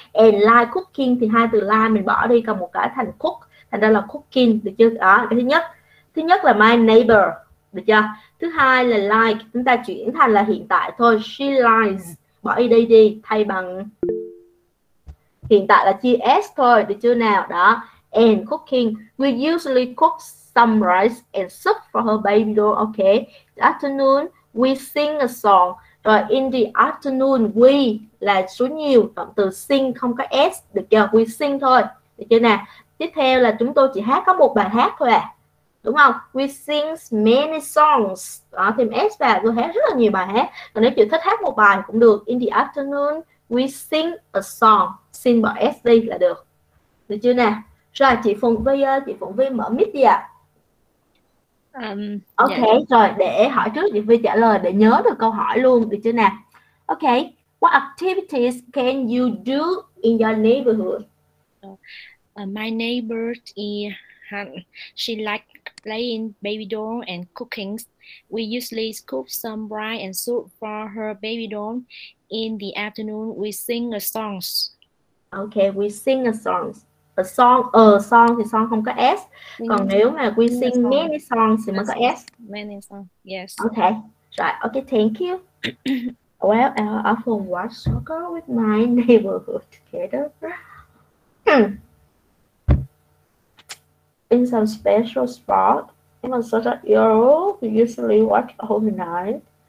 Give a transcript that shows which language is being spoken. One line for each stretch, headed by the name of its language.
English: And like cooking
Vietnamese: thì hai từ like mình bỏ đi, còn một cái thành cook, thành ra là cooking. Được chưa? Đó, cái thứ nhất là
English: my neighbor.
Vietnamese: Được chưa? Thứ hai là like, chúng ta chuyển thành là hiện tại thôi.
English: She likes,
Vietnamese: bỏ ed đi, thay bằng hiện tại là chia s thôi. Được chưa nào? Đó.
English: And cooking, we usually cook some rice and soup for her baby doll. Okay. The afternoon we sing a song.
Vietnamese: Rồi
English: in the afternoon we
Vietnamese: là số nhiều, động từ sing không có s, được chưa?
English: We sing
Vietnamese: thôi. Được chưa nào? Tiếp theo là chúng tôi chỉ hát có một bài hát thôi à. Đúng không?
English: We sing many songs.
Vietnamese: Đó, thêm s vào, tôi hát rất là nhiều bài hát. Còn nếu chị thích hát một bài cũng được.
English: In the afternoon we sing a song.
Vietnamese: Sing bỏ s đi là được. Được chưa nào? Rồi chị Phụng Vy mở mic đi ạ.
English: Ok, yeah.
Vietnamese: Rồi để hỏi trước chị Vy trả lời để nhớ được câu hỏi luôn, được chưa nào?
English: Ok, what activities can you do in your neighborhood? My neighbor she like playing baby doll and cooking. We usually cook some rice and soup for her baby doll. In the afternoon we sing a songs. Ok, we sing a songs.
Vietnamese: A song, song thì song không có s. Còn nếu mà
English: we sing many songs
Vietnamese: thì mới có s.
English: Many songs, yes. Okay, right. Okay, thank you. Well, I often watch soccer with my neighborhood together. In some special spot, I'm a sort of euro, we usually watch all the night.